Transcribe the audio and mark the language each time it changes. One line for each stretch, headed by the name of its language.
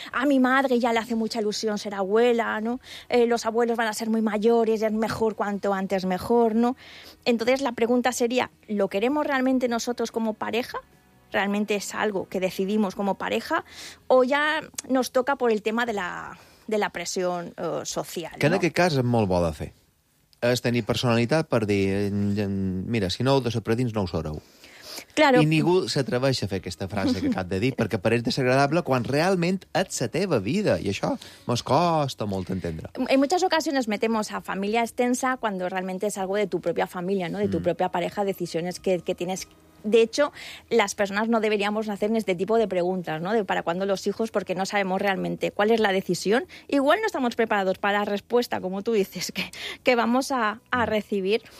Spanish: A mi madre ya le hace mucha ilusión ser abuela, ¿no? Los abuelos van a ser muy mayores, es mejor cuanto antes mejor, ¿no? Entonces la pregunta sería, ¿lo queremos realmente nosotros como pareja? ¿Realmente es algo que decidimos como pareja? ¿O ya nos toca por el tema de la presión social?
Catalan: Que en aquest cas és molt bo de fer. És tenir personalitat per dir, mira, si no ho desapredins no ho sabreu.
Spanish: Claro.
Catalan: I ningú s'atreveix a fer aquesta frase que acabo de dir, perquè pareix desagradable quan realment ets la teva vida. I això mos costa molt entendre.
Spanish: En muchas ocasiones metemos a familia extensa cuando realmente es algo de tu propia familia, ¿no? De tu propia pareja, decisiones que tienes. De hecho, las personas no deberíamos hacer este tipo de preguntas, ¿no? De para cuándo los hijos, porque no sabemos realmente cuál es la decisión. Igual no estamos preparados para la respuesta, como tú dices, que vamos a recibir.